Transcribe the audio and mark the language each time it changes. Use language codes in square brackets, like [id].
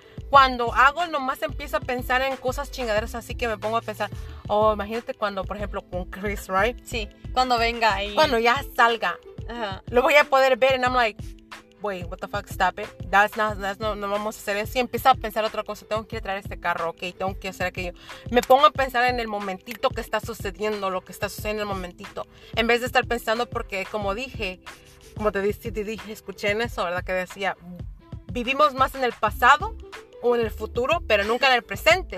[es] Cuando hago, nomás empiezo a pensar en cosas chingaderas, así que me pongo a pensar, oh, imagínate cuando, por ejemplo, con Chris, right? Sí, cuando venga ahí. Cuando ya salga. Uh-huh. Lo voy a poder ver, [en] and I'm like, wait, what the fuck, stop it. [es] No vamos a hacer eso. Y empiezo a pensar otra cosa, tengo que ir a traer este carro, ok, tengo que hacer aquello. Me pongo a pensar en el momentito que está sucediendo, lo que está sucediendo en el momentito. En vez de estar pensando, porque como dije, escuché en eso, ¿verdad? Que decía, vivimos más en el pasado o en el futuro, pero nunca en el presente.